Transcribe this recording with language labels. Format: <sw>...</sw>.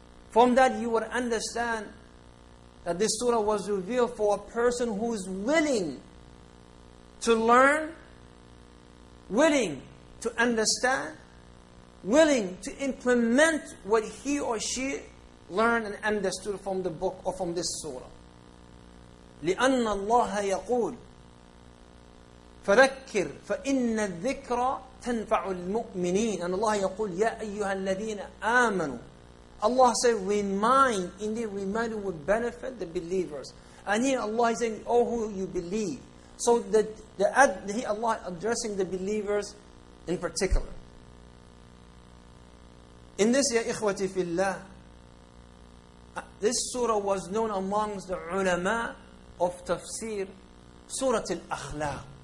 <en>From that you would understand that this surah was revealed for a person who is willing to learn, willing to understand, willing to implement what he or she learned and understood from the book or from this surah.</en> <ar>لأن الله يقول فذكر فإن الذكرى تنفع المؤمنين.</ar> <en>And</en> <ar>Allah يقول يا أيها الذين آمنوا.</ar> <en>Allah said, remind, indeed reminding would benefit the believers. And here Allah is saying, oh who you believe. So Allah addressing the believers in particular. In this, Ya Ikhwati Fillah, this surah was known amongst the ulama of tafsir, Surah Al-Akhlaq.</en>